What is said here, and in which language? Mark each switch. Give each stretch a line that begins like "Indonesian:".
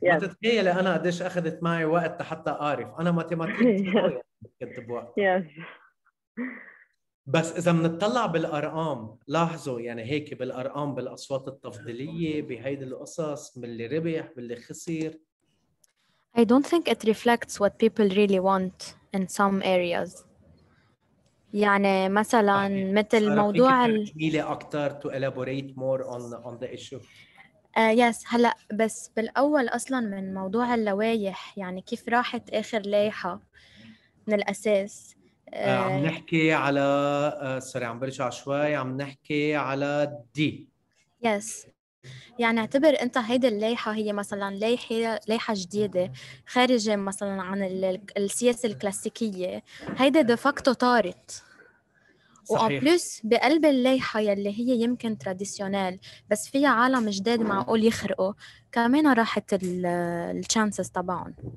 Arabic: ما تتخيل أنا قديش أخذت معي وقت حتى أعرف أنا ماتيماتيكي كتب وقت. بس إذا منتطلع بالأرقام لاحظوا يعني هيك بالأرقام بالأصوات التفضيلية بهيد القصص باللي ربح باللي خسر
English: I don't think it reflects what people really want in some areas
Arabic: يعني مثلاً مثل موضوع تميلي أكتر
English: to elaborate more on the issue
Arabic: yes هلأ بس بالأول أصلاً من موضوع اللوائح يعني كيف راحت آخر لائحة من الأساس عم نحكي على سوري عم برجع شوي عم نحكي على دي
English: yes.
Arabic: يعني اعتبر انت هيدي اللايحة هي مثلا لايحة جديدة خارجة مثلا عن السياسة الكلاسيكية هيدي دفاكتو طارت وأبلوس بقلب اللايحة يلي هي يمكن تراديسيونال بس فيها عالم جديد معقول يخرقوا كمان راحت الشانسز طبعاً